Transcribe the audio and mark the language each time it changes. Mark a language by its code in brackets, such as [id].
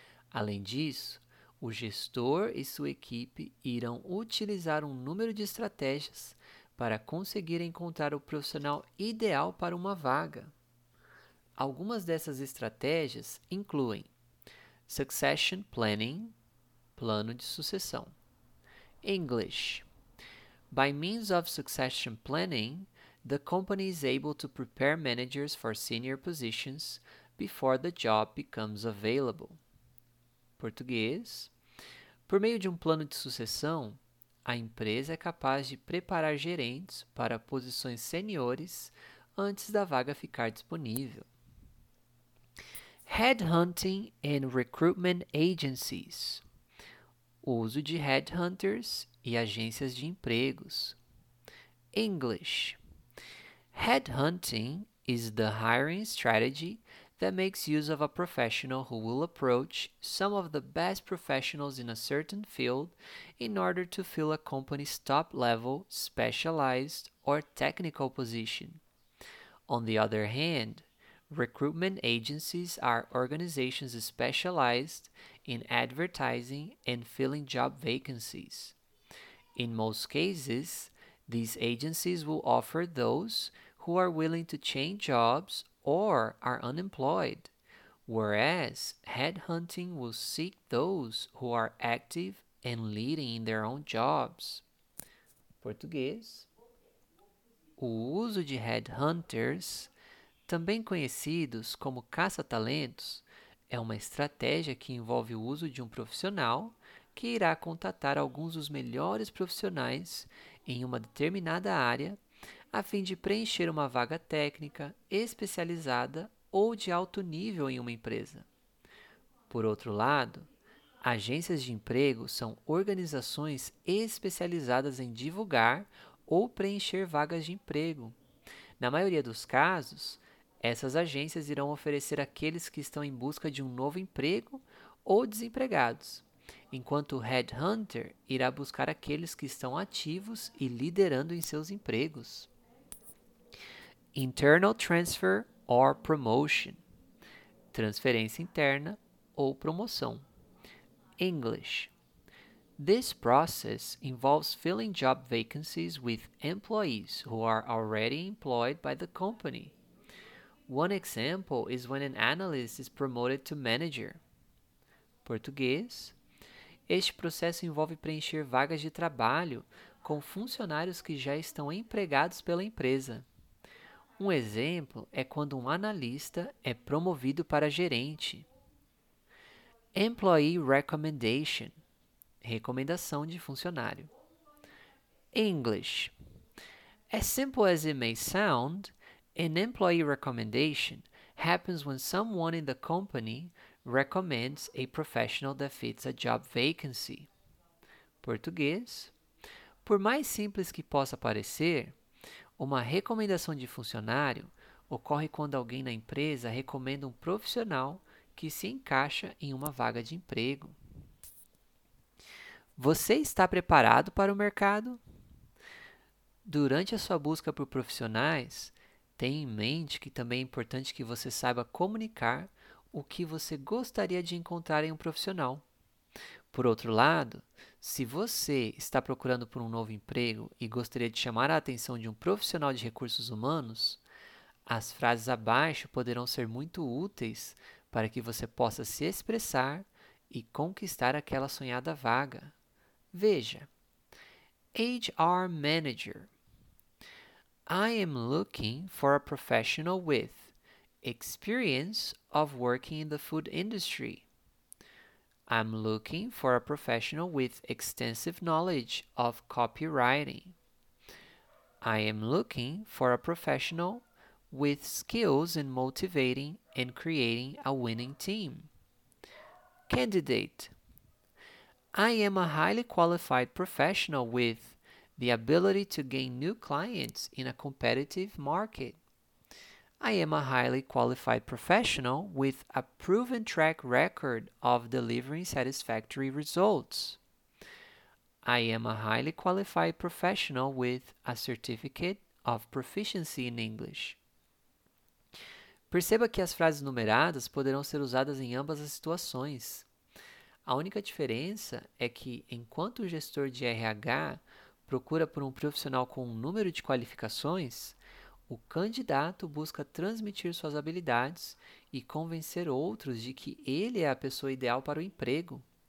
[pt] Além disso, o gestor e sua equipe irão utilizar um número de estratégias para conseguir encontrar o profissional ideal para uma vaga. Algumas dessas estratégias incluem Succession Planning, plano de sucessão. [en] English. By means of Succession Planning, the company is able to prepare managers for senior positions before the job becomes available. [pt] Português. Por meio de um plano de sucessão, a empresa é capaz de preparar gerentes para posições seniores antes da vaga ficar disponível. [en] Headhunting and recruitment agencies. [pt] O uso de headhunters e agências de empregos. [en] English. Headhunting is the hiring strategy that makes use of a professional who will approach some of the best professionals in a certain field in order to fill a company's top-level, specialized, or technical position. On the other hand, recruitment agencies are organizations specialized in advertising and filling job vacancies. In most cases, these agencies will offer those who are willing to change jobs or are unemployed, whereas headhunting will seek those who are active and leading in their own jobs. [pt] Português. O uso de headhunters, também conhecidos como caça-talentos, é uma estratégia que envolve o uso de um profissional que irá contatar alguns dos melhores profissionais em uma determinada área a fim de preencher uma vaga técnica, especializada ou de alto nível em uma empresa. Por outro lado, agências de emprego são organizações especializadas em divulgar ou preencher vagas de emprego. Na maioria dos casos, essas agências irão oferecer àqueles que estão em busca de um novo emprego ou desempregados, enquanto o headhunter irá buscar aqueles que estão ativos e liderando em seus empregos. [en] Internal transfer or promotion. [pt] Transferência interna ou promoção. [en] English. This process involves filling job vacancies with employees who are already employed by the company. One example is when an analyst is promoted to manager. [pt] Português. Este processo envolve preencher vagas de trabalho com funcionários que já estão empregados pela empresa. Um exemplo é quando um analista é promovido para gerente. [en] Employee recommendation. [pt] Recomendação de funcionário. [en] English. As simple as it may sound, an employee recommendation happens when someone in the company recommends a professional that fits a job vacancy. [pt] Português. Por mais simples que possa parecer, uma recomendação de funcionário ocorre quando alguém na empresa recomenda um profissional que se encaixa em uma vaga de emprego. Você está preparado para o mercado? Durante a sua busca por profissionais, tenha em mente que também é importante que você saiba comunicar o que você gostaria de encontrar em um profissional. Por outro lado, se você está procurando por um novo emprego e gostaria de chamar a atenção de um profissional de recursos humanos, as frases abaixo poderão ser muito úteis para que você possa se expressar e conquistar aquela sonhada vaga. Veja: [en] HR Manager. I am looking for a professional with experience of working in the food industry. I'm looking for a professional with extensive knowledge of copywriting. I am looking for a professional with skills in motivating and creating a winning team. Candidate: I am a highly qualified professional with the ability to gain new clients in a competitive market. I am a highly qualified professional with a proven track record of delivering satisfactory results. I am a highly qualified professional with a certificate of proficiency in English. [pt] Perceba que as frases numeradas poderão ser usadas em ambas as situações. A única diferença é que, enquanto o gestor de RH procura por um profissional com um número de qualificações, o candidato busca transmitir suas habilidades e convencer outros de que ele é a pessoa ideal para o emprego.